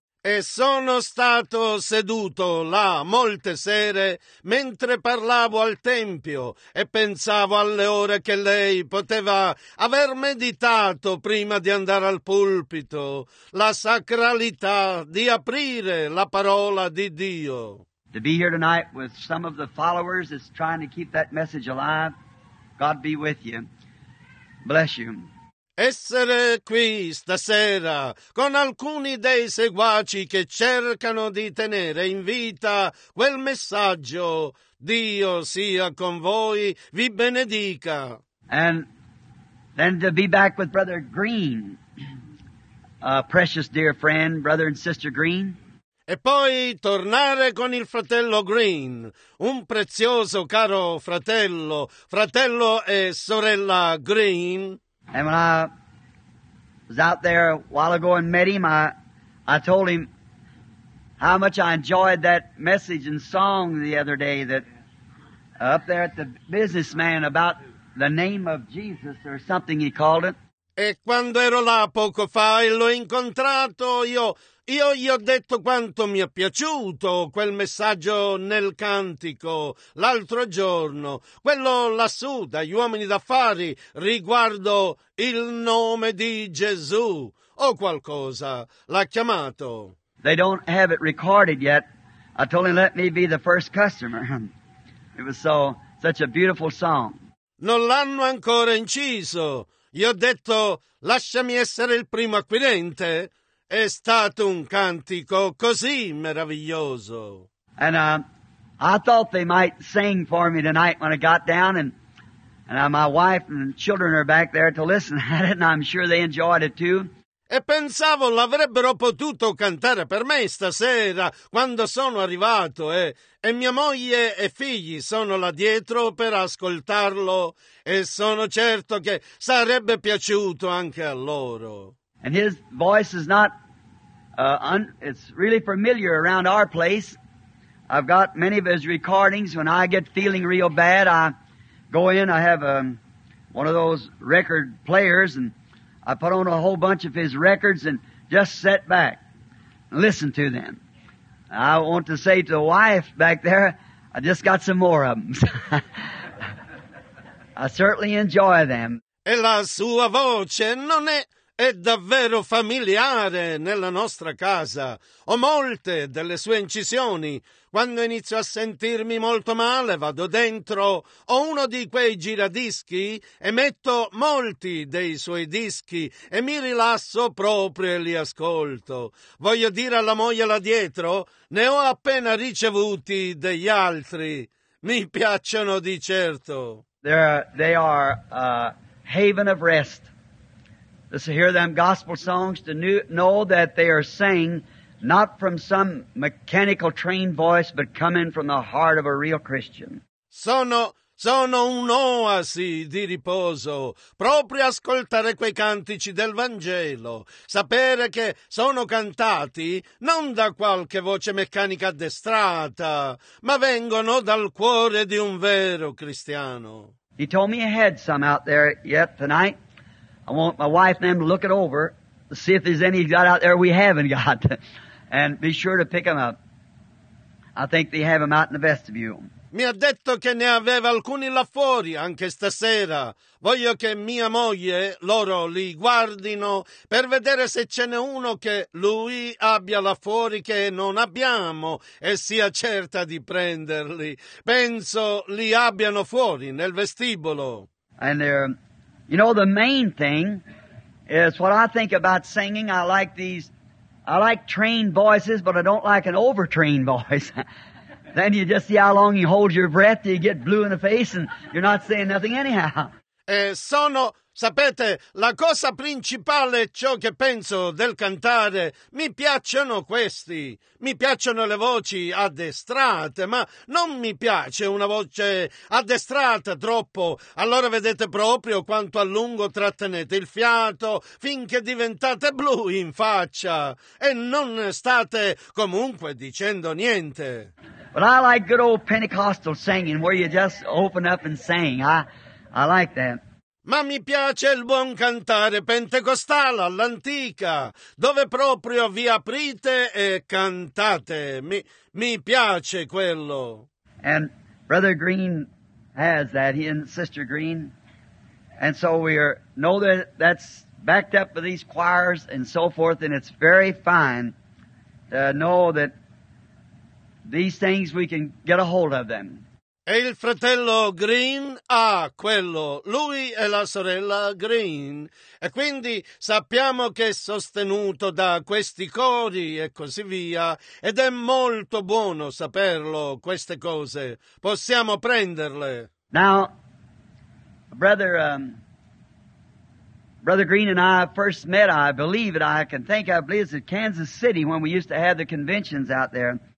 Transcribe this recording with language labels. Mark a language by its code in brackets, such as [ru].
[it] E sono stato seduto là molte sere mentre parlavo al tempio e pensavo alle ore che lei poteva aver meditato prima di andare al pulpito, la sacralità di aprire la parola di Dio. [en] To be here tonight with some of the followers that's trying to keep that message alive, God be with you. Bless you. [it] Essere qui stasera con alcuni dei seguaci che cercano di tenere in vita quel messaggio, Dio sia con voi, vi benedica. [en] And then to be back with Brother Green, a precious dear friend, brother and sister Green. [it] E poi tornare con il fratello Green, un prezioso caro fratello, fratello e sorella Green. [en] And when I was out there a while ago and met him, I told him how much I enjoyed that message and song the other day that up there at the businessman about the name of Jesus or something he called it. [it] E quando ero là poco fa e l'ho incontrato, io gli ho detto quanto mi è piaciuto quel messaggio nel cantico l'altro giorno, quello lassù dagli uomini d'affari riguardo il nome di Gesù o qualcosa, l'ha chiamato. [en] They don't have it recorded yet. I told him let me be the first customer. It was so such a beautiful song. [it] Non l'hanno ancora inciso. Io ho detto, lasciami essere il primo acquirente. È stato un cantico così meraviglioso. [en] And I thought they might sing for me tonight when I got down, and my wife and children are back there to listen at it, and I'm sure they enjoyed it too. [it] E pensavo l'avrebbero potuto cantare per me stasera quando sono arrivato, e mia moglie e figli sono là dietro per ascoltarlo, e sono certo che sarebbe piaciuto anche a loro. [en] And his voice is not it's really familiar around our place. I've got many of his recordings. When I get feeling real bad, I go in, I have one of those record players, and I put on a whole bunch of his records and just sit back and listen to them. I want to say to the wife back there, I just got some more of them. I certainly enjoy them. [it] E la sua voce non è davvero familiare nella nostra casa. Ho molte delle sue incisioni. Quando inizio a sentirmi molto male, vado dentro, ho uno di quei giradischi e metto molti dei suoi dischi e mi rilasso proprio e li ascolto. Voglio dire alla moglie là dietro, ne ho appena ricevuti degli altri. Mi piacciono di certo. [en] They are a haven of rest. Just to hear them gospel songs, to know that they are singing not from some mechanical trained voice, but coming from the heart of a real Christian. [it] Sono un'oasi di riposo, proprio ascoltare quei cantici del Vangelo, sapere che sono cantati non da qualche voce meccanica addestrata, ma vengono dal cuore di un vero cristiano. [en] He told me ahead some out there yet tonight. I want my wife and them to look it over, to see if there's any got out there we haven't got. And be sure to pick them up. I think they have them out in the vestibule. [it] Mi ha detto che ne aveva alcuni là fuori anche stasera. Voglio che mia moglie, loro li guardino per vedere se ce n'è uno che lui abbia là fuori che non abbiamo e sia certa di prenderli. Penso li abbiano fuori nel vestibolo. [en] And there, you know, the main thing is what I think about singing. I like trained voices, but I don't like an overtrained voice. Then you just see how long you hold your breath, you get blue in the face, and you're not saying nothing anyhow. [it] Sapete, la cosa principale è ciò che penso del cantare. Mi piacciono questi. Mi piacciono le voci addestrate, ma non mi piace una voce addestrata troppo. Allora vedete proprio quanto a lungo trattenete il fiato finché diventate blu in faccia. E non state comunque dicendo niente. [en] But I like good old Pentecostal singing where you just open up and sing. I like that. [it] Ma mi piace il buon cantare pentecostale all'antica, dove proprio vi aprite e cantate. Mi piace quello. [en] And Brother Green has that, he and Sister Green. And so we are, know that that's backed up with these choirs and so forth, and it's very fine to know that these things we can get a hold of them. [it] E il fratello Green ha quello, lui e la sorella Green. E quindi sappiamo che è sostenuto da questi cori e così via. Ed è molto buono saperlo, queste cose. Possiamo prenderle. [en] Now, Brother Green and I first met, I believe it's at Kansas City when we used to have the conventions out there.